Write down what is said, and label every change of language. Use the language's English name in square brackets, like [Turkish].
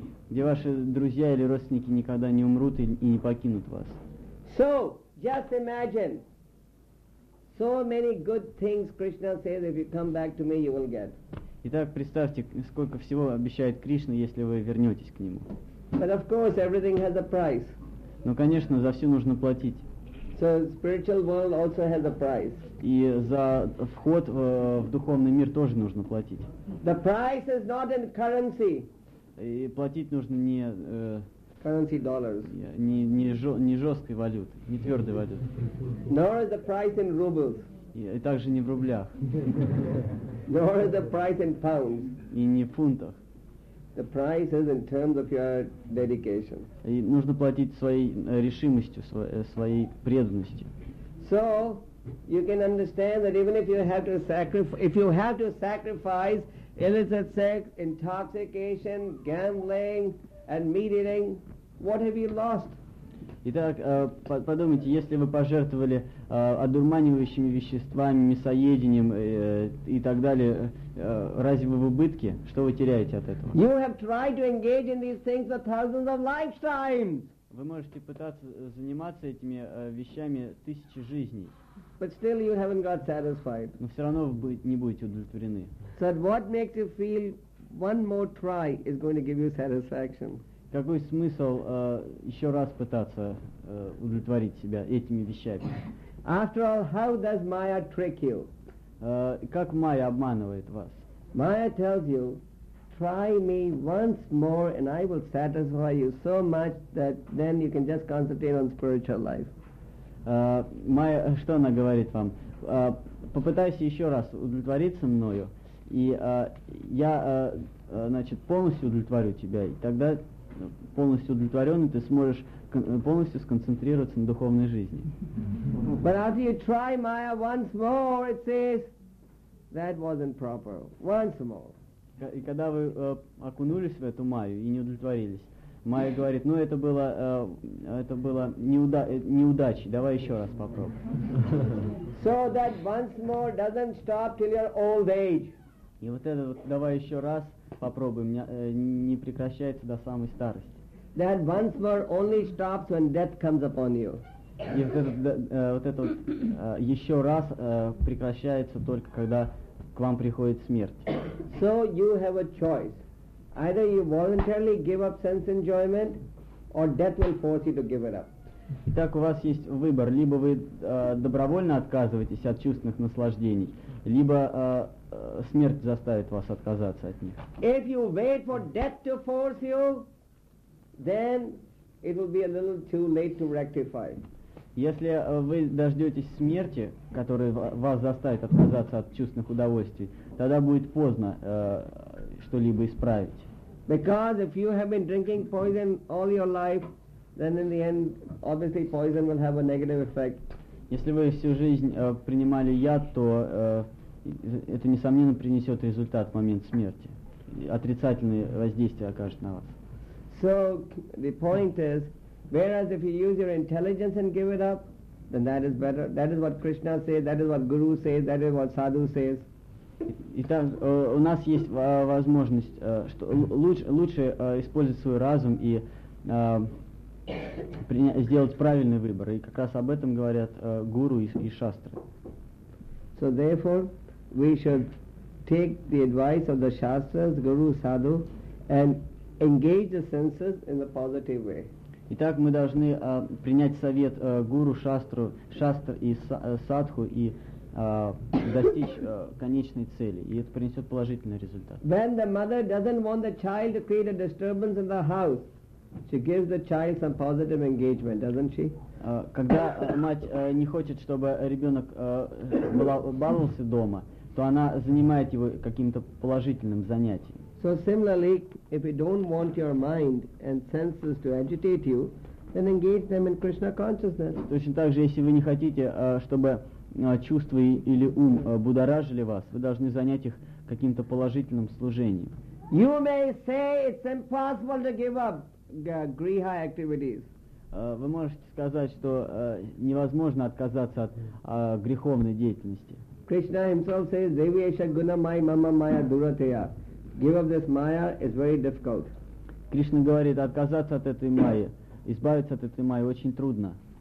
[Russian] Где ваши друзья или родственники никогда не умрут и не покинут вас. [English] So, just imagine, so many good things Krishna says, if you come back to me, you will get. [Russian] Итак, представьте, сколько всего обещает Кришна, если вы вернетесь к нему. [English] But of course, everything has a price. [Russian] Но, конечно, за все нужно платить. [English] So, spiritual world also has a price. [Russian] И за вход в духовный мир тоже нужно платить. [English] The price is not in currency. [Russian] И платить нужно не... [English] Currency dollars. [Russian] Не жесткой валюты, не твердой валюты. [English] Nor is the price in rubles. [Russian] И также не в рублях. [English] Nor is the price in pounds. [Russian] И не в фунтах. [English] The price is in terms of your dedication. [Russian] И нужно платить своей решимостью, своей преданностью. [English] So you can understand that even if you have to sacrifice illicit sex, intoxication, gambling. And meat eating, what have you lost? [Russian] Итак, подумайте, если вы пожертвовали одурманивающими веществами, мясоедением и так далее, разве вы в убытке? Что вы теряете от этого? [English] You have tried to engage in these things for thousands of lifetimes. [Russian] Вы можете пытаться заниматься этими вещами тысячи жизней. [English] But still, you haven't got satisfied. [Russian] Но все равно вы не будете удовлетворены. [English] So what makes you feel? One more try is going to give you satisfaction. [Russian] Какой смысл еще раз пытаться удовлетворить себя этими вещами? [English] After all, how does Maya trick you? [Russian] Как Майя обманывает вас? [English] Maya tells you, try me once more and I will satisfy you so much that then you can just concentrate on spiritual life. [Russian] Майя, что она говорит вам? Попытайся еще раз удовлетвориться мною. И я, значит, полностью удовлетворю тебя, и тогда полностью удовлетворенный ты сможешь полностью сконцентрироваться на духовной жизни. [English] But after you try Maya once more, it says that wasn't proper. Once more. [Russian] И когда вы окунулись в эту Майю и не удовлетворились, Майя говорит: ну это было неудачей. Давай еще раз попробуем. [English] So that once more doesn't stop till your old age. [Russian] И вот это вот, давай еще раз попробуем, не прекращается до самой старости. [English] That once more only stops when death comes upon you. [Russian] И вот это еще раз прекращается только когда к вам приходит смерть. [English] So you have a choice. Either you voluntarily give up sense enjoyment, or death will force you to give it up. [Russian] Итак, у вас есть выбор. Либо вы добровольно отказываетесь от чувственных наслаждений, либо смерть заставит вас отказаться от них. [English] If you wait for death to force you, then it will be a little too late to rectify. [Russian] Если вы дождетесь смерти, которая вас заставит отказаться от чувственных удовольствий, тогда будет поздно что-либо исправить. [English] Because if you have been drinking poison all your life, then in the end, obviously poison will have a negative effect. [Russian] Если вы всю жизнь принимали яд, то это несомненно принесет результат в момент смерти. Отрицательное воздействие окажет на вас. [English] So the point is, whereas if you use your intelligence and give it up, then that is better. That is what Krishna says, that is what Guru says, that is what Sadhu says. [Russian] Итак, у нас есть возможность, что лучше использовать свой разум и сделать правильный выбор. И как раз об этом говорят гуру и шастры. [English] So therefore, we should take the advice of the shastras, guru, sadhu, and engage the senses in a positive way. [Russian] Итак, мы должны принять совет гуру, шастру, шастр и садху и достичь конечной цели. И это принесет положительный результат. [English] When the mother doesn't want the child to create a disturbance in the house, she gives the child some positive engagement, doesn't she? [Russian] Когда мать не хочет, чтобы ребенок баловался дома, то она занимает его каким-то положительным занятием. [English] So similarly, if you don't want your mind and senses to agitate you, then engage them in Krishna consciousness. [Russian] Точно так же, если вы не хотите, чтобы чувства или ум будоражили вас, вы должны занять их каким-то положительным служением. [English] You may say it's impossible to give up griha activities. [Russian] Вы можете сказать, что невозможно отказаться от греховной деятельности. [English] Krishna himself says, [Sanskrit] Devyesha guna mai mama maya durateya. [English] Give up this maya is very difficult. [Russian] Krishna говорит, отказаться от этой майи, избавиться от этой майи очень трудно.